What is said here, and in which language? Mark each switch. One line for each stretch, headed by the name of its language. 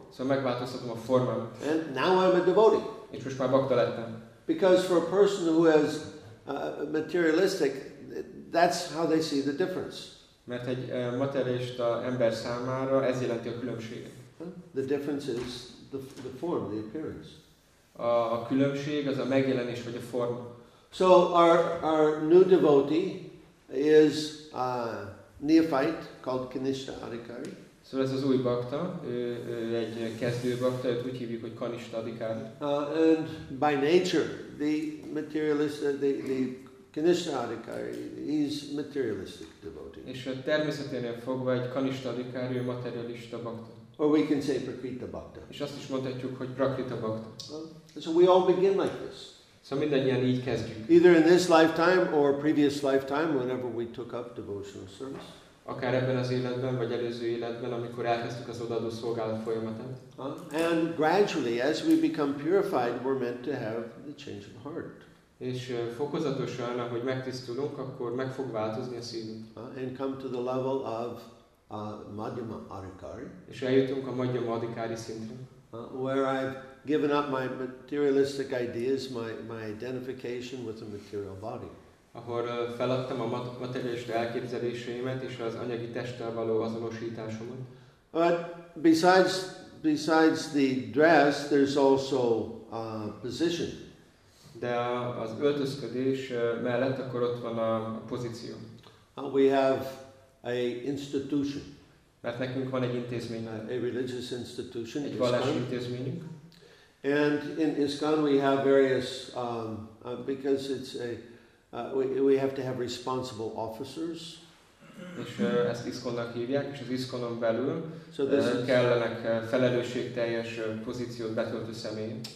Hungarian: So megváltoztatom a formámat.
English: And now I'm a devotee.
Hungarian: És most már bhakta lettem.
English: Because for a person who is materialistic, that's how they see the difference.
Hungarian: Mert egy materialista ember számára ez jelenti a különbséget.
English: The difference is the form, the appearance.
Hungarian: A különbség az a megjelenés vagy a forma.
English: So our new devotee is a neophyte called Kanishtha Adhikari.
Hungarian: Szóval ez az új bhakta, egy kezdő bhakta, őt úgy hívjuk, hogy Kanishtha Adhikari.
English: And by nature, the materialist, the Kanishtha Adhikari is materialistic devotee.
Hungarian: És a természeténél fogva egy Kanishtha Adhikari, ő materialista bhakta.
English: Or we can say Prakrita bhakta.
Hungarian: És azt is mondhatjuk, hogy Prakrita bhakta.
English: So we all begin like this.
Hungarian: Szóval mindannyian így kezdjük.
English: Either in this lifetime or previous lifetime, whenever we took up devotional service.
Hungarian: Akár ebben az életben, vagy előző életben, amikor elkezdtük az odaadó szolgálat folyamatát.
English: And gradually, as we become purified, we're meant to have the change of heart.
Hungarian: És fokozatosan, ahogy megtisztulunk, akkor meg fog változni a szívünk.
English: And come to the level of Madhyama Adhikari.
Hungarian: És eljutunk a Madhyama Adhikari szintre.
English: Where I've given up my materialistic ideas, my identification with a material body.
Hungarian: Ahol feladtam a materialista elképzeléseimet és az anyagi testtel való azonosításomat.
English: But besides the dress, there's also a position.
Hungarian: De az öltözködés mellett akkor ott van a pozíció.
English: We have a institution.
Hungarian: Mert nekünk van egy intézmény.
English: A religious institution.
Hungarian: Egy vallási intézményünk.
English: And in ISKCON we have various, because it's a we have to have responsible officers.
Hungarian: És ezt ISKCON-nak hívják, és az ISKCON-on belül kellenek felelősségteljes pozíciót betöltő személy.